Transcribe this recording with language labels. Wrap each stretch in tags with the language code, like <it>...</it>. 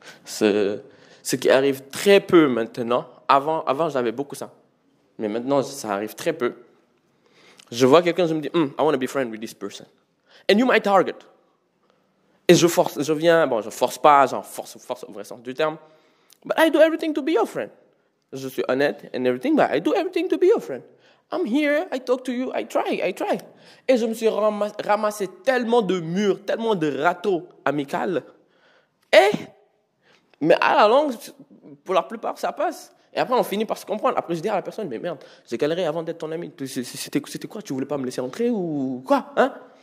<fr>Ce qui arrive très peu maintenant. Avant, j'avais beaucoup ça. Mais maintenant, ça arrive très peu. Je vois quelqu'un, je me dis,</fr> <en>I want to be friend with this person. And you're my target.</en> <fr>Et je force, je viens, bon, je force pas, genre force au vrai sens du terme.</fr> <en>But I do everything to be your friend.</en> <fr>Je suis honnête</fr> <en>and everything, but I do everything to be your friend. I'm here, I talk to you, I try.</en> <fr>Et je me suis ramassé tellement de murs, tellement de râteaux amicaux. Mais à la longue, pour la plupart, ça passe. Et après, on finit par se comprendre. Après, je dis à la personne, mais merde, j'ai galéré avant d'être ton ami. C'était quoi? Tu voulais pas me laisser entrer ou quoi? Hein?</fr>